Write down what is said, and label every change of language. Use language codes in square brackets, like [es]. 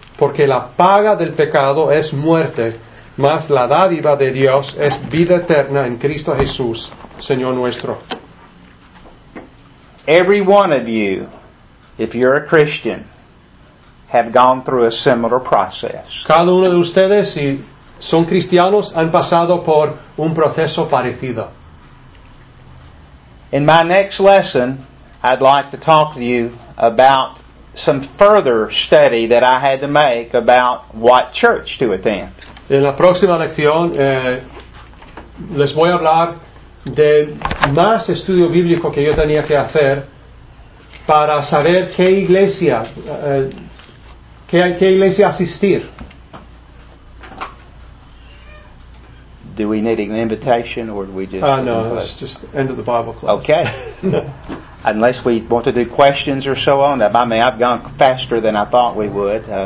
[es] Porque la paga del pecado es muerte, mas la dádiva de Dios es vida eterna en Cristo Jesús, Señor nuestro. [en] Every one of you, if you're a Christian, have gone through a similar process. [es] Cada uno de ustedes, si son cristianos, han pasado por un proceso parecido. [en] In my next lesson, I'd like to talk to you about some further study that I had to make about what church to attend. [es] En la próxima lección les voy a hablar de más estudio bíblico que yo tenía que hacer para saber qué iglesia qué iglesia asistir. [en] Do we need an invitation or do we just No, it's just end of the Bible class. Okay. Unless we want to do questions or so on that. I mean, I've gone faster than I thought we would.